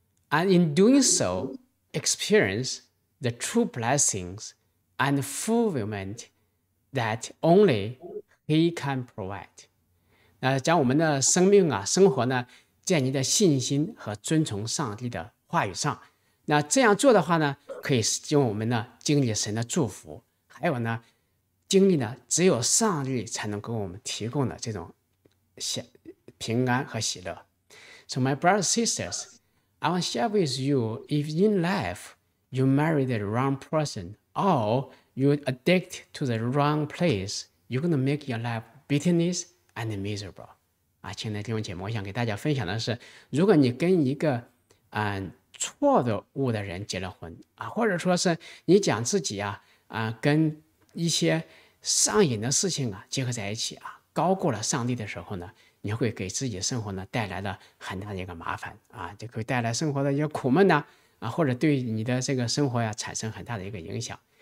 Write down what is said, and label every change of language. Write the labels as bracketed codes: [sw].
[en] And in doing so, experience the true blessings and fulfillment that only He can provide. [zh] 那将我们的生命啊，生活呢，建立在信心和遵从上帝的话语上。那这样做的话呢，可以使用我们呢经历神的祝福，还有呢经历呢只有上帝才能给我们提供的这种平安和喜乐。 [en] So my brothers and sisters, I want to share with you, if in life you marry the wrong person or you addict to the wrong place, you're going to make your life bitterness and miserable. [zh] 啊，亲爱的弟兄姐妹，我想给大家分享的是，如果你跟一个错的误的人结了婚啊，或者说是你讲自己跟一些上瘾的事情啊结合在一起啊，高过了上帝的时候呢，你会给自己生活呢带来了很大的一个麻烦啊，就会带来生活的一个苦闷呢 啊或者对你的这个生活呀产生很大的一个影响。